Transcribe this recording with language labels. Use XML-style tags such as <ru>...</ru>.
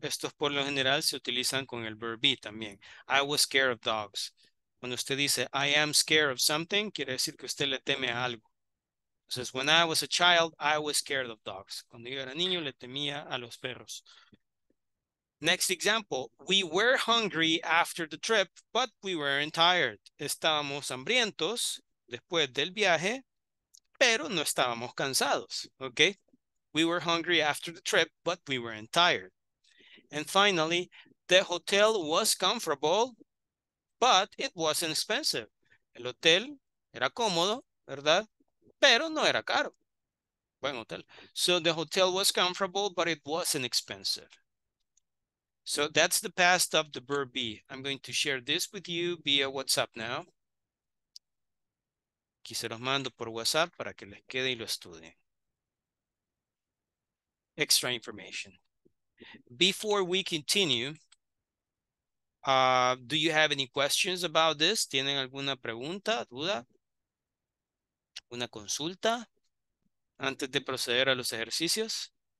<es>Estos por lo general se utilizan con el verb be también.</es> <en>I was scared of dogs.</en> <es>Cuando usted dice,</es> <en>I am scared of something,</en> <es>quiere decir que usted le teme a algo. Entonces,</es> <en>when I was a child, I was scared of dogs.</en> <es>Cuando yo era niño, le temía a los perros.</es> <en>Next example, we were hungry after the trip, but we weren't tired.</en> <es>Estábamos hambrientos después del viaje, pero no estábamos cansados, okay?</es> <en>We were hungry after the trip, but we weren't tired. And finally, the hotel was comfortable, but it wasn't expensive.</en> <es>El hotel era cómodo, ¿verdad? Pero no era caro. Buen hotel.</es> <en>So the hotel was comfortable, but it wasn't expensive. So that's the past of the verb be. I'm going to share this with you via WhatsApp now.</en> <es>Aquí se los mando por WhatsApp para que les quede y lo estudien.</es> <en>Extra information. Before we continue, do you have any questions about this?</en> <es>¿Tienen alguna pregunta, duda? ¿Una consulta? Antes de proceder a los ejercicios.</es>